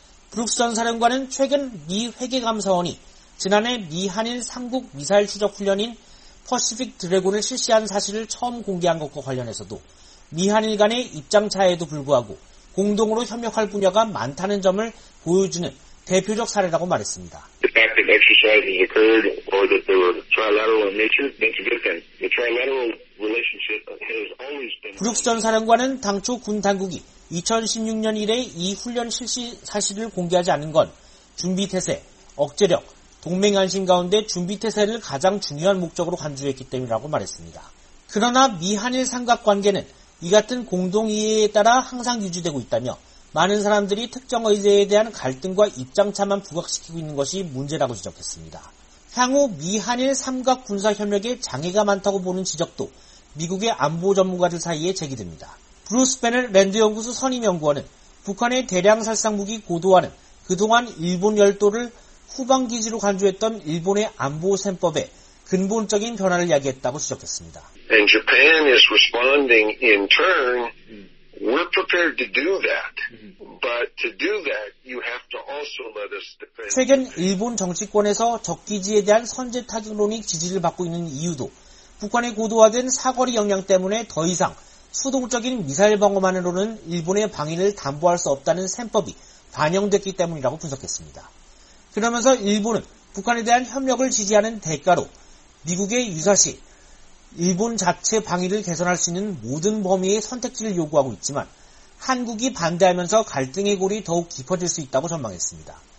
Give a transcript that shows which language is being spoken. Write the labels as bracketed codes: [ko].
[ko] 브룩스 전 사령관은 최근 미 회계감사원이 지난해 미한일 3국 미사일 추적 훈련인 퍼시픽 드래곤을 실시한 사실을 처음 공개한 것과 관련해서도 미한일 간의 입장 차이에도 불구하고 공동으로 협력할 분야가 많다는 점을 보여주는 대표적 사례라고 말했습니다. [en] The fact that exercises occurred or that they were trilateral in nature makes a difference. The trilateral relationship has always been. [ko] 브룩스 전 사령관은 당초 군 당국이 2016년 이래 이 훈련 실시 사실을 공개하지 않은 건 준비태세, 억제력, 동맹안심 가운데 준비태세를 가장 중요한 목적으로 간주했기 때문이라고 말했습니다. 그러나 미한일 삼각관계는 이 같은 공동이해에 따라 항상 유지되고 있다며 많은 사람들이 특정 의제에 대한 갈등과 입장차만 부각시키고 있는 것이 문제라고 지적했습니다. 향후 미한일 삼각 군사협력에 장애가 많다고 보는 지적도 미국의 안보 전문가들 사이에 제기됩니다. 브루스 베넬 랜드연구소 선임연구원은 북한의 대량살상무기 고도화는 그동안 일본 열도를 후방기지로 간주했던 일본의 안보 셈법에 근본적인 변화를 야기했다고 지적했습니다. [en] And Japan is responding in turn. We're prepared to do that. But to do that, you have to also let us defend. [ko] 최근 일본 정치권에서 적기지에 대한 선제 타격론이 지지를 받고 있는 이유도 북한의 고도화된 사거리 역량 때문에 더 이상 수동적인 미사일 방어만으로는 일본의 방위를 담보할 수 없다는 셈법이 반영됐기 때문이라고 분석했습니다. 그러면서 일본은 북한에 대한 협력을 지지하는 대가로 미국의 유사시 일본 자체 방위를 개선할 수 있는 모든 범위의 선택지를 요구하고 있지만 한국이 반대하면서 갈등의 골이 더욱 깊어질 수 있다고 전망했습니다.